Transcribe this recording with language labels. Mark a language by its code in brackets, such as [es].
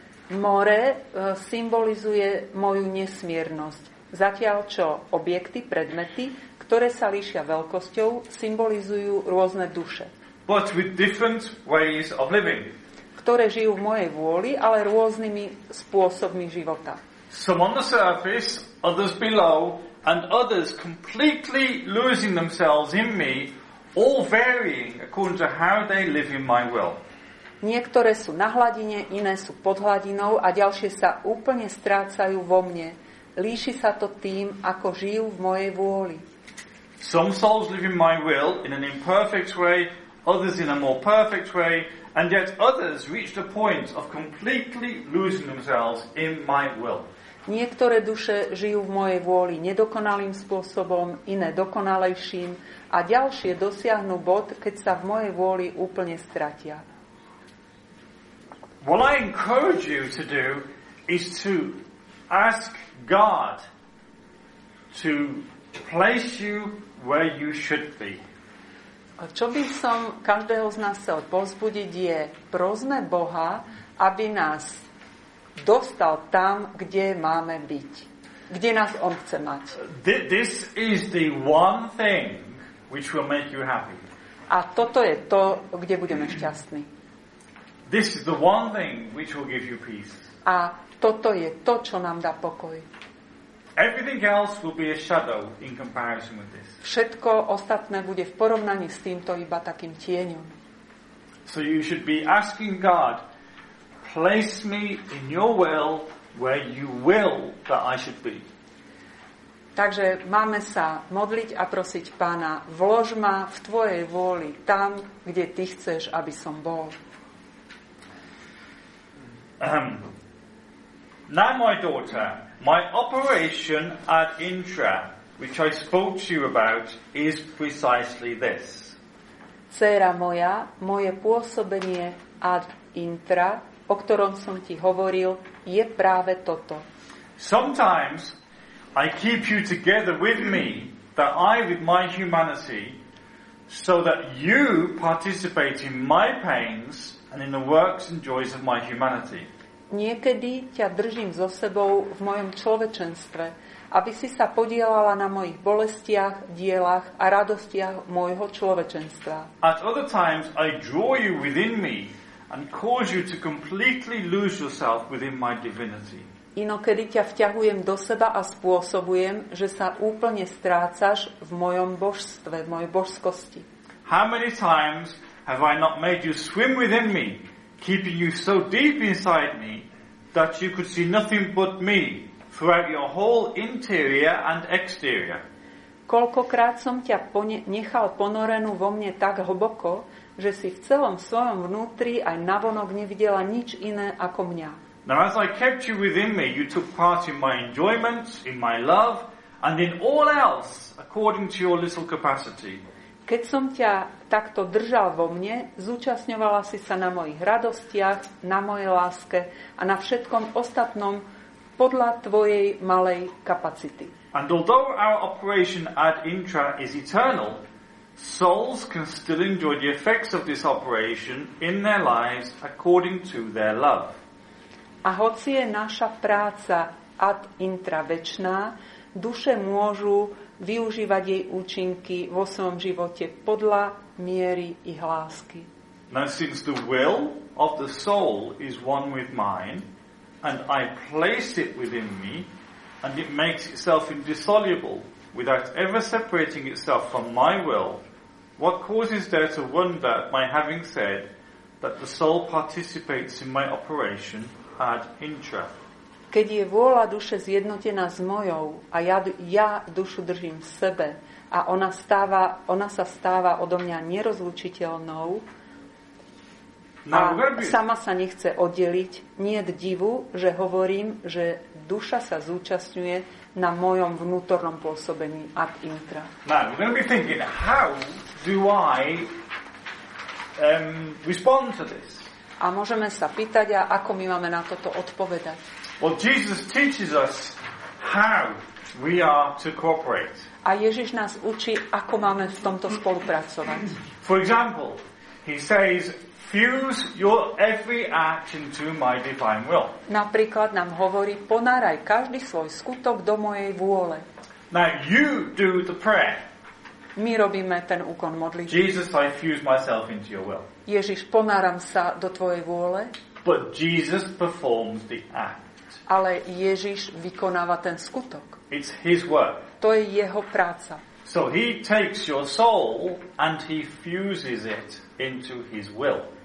[sk] More symbolizuje moju nesmiernosť. Zatiaľ čo objekty, predmety, ktoré sa líšia veľkosťou, symbolizujú rôzne duše. [en] But with different ways of living. [sk] Ktoré žijú v mojej vôli, ale rôznymi spôsobmi života. [en] Some on the surface, others below, and others completely losing themselves in me, all varying according to how they live in my will. [sk] Niektoré sú na hladine, iné sú pod hladinou a ďalšie sa úplne strácajú vo mne. Líši sa to tým, ako žijú v mojej vôli. [en] Some souls live in my will in an imperfect way, others in a more perfect way, and yet others reach the point of completely losing themselves in my will. [sk] Niektoré duše žijú v mojej vôli nedokonalým spôsobom, iné dokonalejším, a ďalšie dosiahnu bod, keď sa v mojej vôli úplne stratia. [en] What I encourage you to do is to ask God to place you where you should be. [sk] Čo by som každého z nás chcel povzbudiť, je prosme Boha, aby nás dostal tam, kde máme byť. Kde nás on chce mať. [en] This is the one thing which will make you happy. [sk] A toto je to, kde budeme šťastní. [en] This is the one thing which will give you peace. [sk] A toto je to, čo nám dá pokoj. [en] Everything else will be a shadow in comparison with this. [sk] Všetko ostatné bude v porovnaní s týmto iba takým tieňom. [en] So you should be asking God, place me in your will where you will that I should be. [sk] Takže máme sa modliť a prosiť Pána, vlož ma v tvojej vôli tam, kde ty chceš, aby som bol. [en] Now my daughter, my operation at Intra, which I spoke to you about, is precisely this. [sk] Dcéra moja, moje pôsobenie ad intra, o ktorom som ti hovoril, je práve toto. [en] Sometimes I keep you together with me, that I with my humanity, so that you participate in my pains and in the works and joys of my humanity. [sk] Niekedy ťa držím so sebou v mojom človečenstve, aby si sa podielala na mojich bolestiach, dielach a radostiach môjho človečenstva. [en] At other times I draw you within me and cause you to completely lose yourself within my divinity. [sk] Inokedy ťa vťahujem do seba a spôsobujem, že sa úplne strácaš v mojom božstve, v mojej božskosti. [en] How many times have I not made you swim within me, keeping you so deep inside me that you could see nothing but me throughout your whole interior and exterior. [sk] Koľkokrát som ťa nechal ponorenú vo mne tak hlboko, že si v celom svojom vnútri aj navonok nevidela nič iné ako mňa. [en] Now as I kept you within me, you took part in my enjoyments, in my love, and in all else according to your little capacity. [sk] Keď som ťa takto držal vo mne, zúčastňovala si sa na mojich radostiach, na mojej láske a na všetkom ostatnom podľa tvojej malej kapacity. [en] And although our operation ad intra is eternal, souls can still enjoy the effects of this operation in their lives according to their love. [sk] A hoci je naša práca ad intra večná, duše môžu využívať jej účinky vo svojom živote podľa miery ich lásky. [en] Now since the will of the soul is one with mine, and I place it within me, and it makes itself indissoluble, without ever separating itself from my will, what causes there to wonder at my having said that the soul participates in my operation ad intra? [sk] Keď je vôľa duše zjednotená s mojou a ja dušu držím v sebe a ona sa stáva odo mňa nerozlučiteľnou a sama sa nechce oddeliť, nie je divu, že hovorím, že duša sa zúčastňuje na mojom vnútornom pôsobení ad intra. [en] Now, we're going to be thinking, how do I respond to this? [sk] A môžeme sa pýtať, a ako my máme na toto odpovedať? [en] Well, Jesus teaches us how we are to cooperate. [sk] A Ježiš nás učí, ako máme v tomto spolupracovať. [en] For example, he says, fuse your every action to my divine will. [sk] Napríklad nám hovorí, ponáraj každý svoj skutok do mojej vôle. [en] Now you do the prayer. [sk] My robíme ten úkon modlitby. [en] Jesus, I fuse myself into your will. [sk] Ježiš, ponáram sa do tvojej vôle. [en] But Jesus performs the act. [sk] Ale Ježiš vykonáva ten skutok. [en] It's his work. [sk] To je jeho práca. [en] So he takes your soul and he fuses it into his will.